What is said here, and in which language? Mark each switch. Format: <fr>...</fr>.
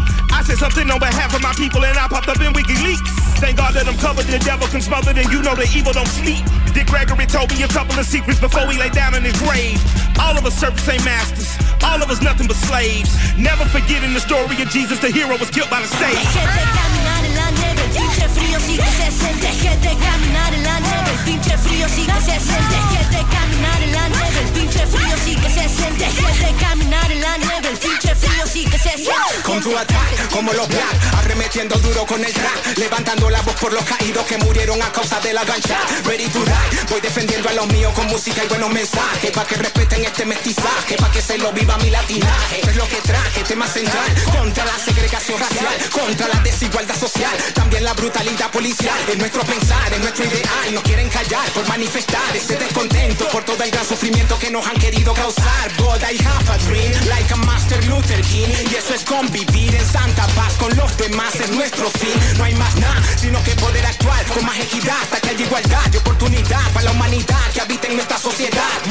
<en>I said something on behalf of my people and I popped up in WikiLeaks. Thank God that I'm covered, the devil can smother, then you know the evil don't sleep. Dick Gregory told me a couple of secrets before we lay down in his grave. All of us serve the same masters, all of us nothing but slaves. Never forgetting the story of Jesus, the hero was killed by the state.</en> <es>Dejé de caminar en la nieve, pinche frío sí que se siente. Dejé de caminar en la nieve, pinche frío sí que se siente. Dejé de caminar en la nieve, pinche frío sí que se siente. Dejé de caminar en la nieve, pinche frío sí que se siente. Con tu ataque, como los black, arremetiendo duro con el track. Levantando la voz por los caídos que murieron a causa de la gancha.</es> <en>Ready to die,</en> <es>voy defendiendo a los míos con música y buenos mensajes. Pa' que respeten este mestizaje, pa' que se lo viva mi latinaje. Es lo que traje, tema central, contra la segregación racial, contra la desigualdad social, también la brutalidad policial. Es nuestro pensar, es nuestro ideal, nos quieren callar por manifestar ese descontento por todo el gran sufrimiento que nos han querido causar.</es> <en>God, I have a dream, like a Martin Luther King.</en> <es>Y eso es convivir en santa paz con los demás, es nuestro fin. No hay más nada, sino que poder actuar con más equidad hasta que haya igualdad y oportunidad para la humanidad que habita en nuestra sociedad.</es>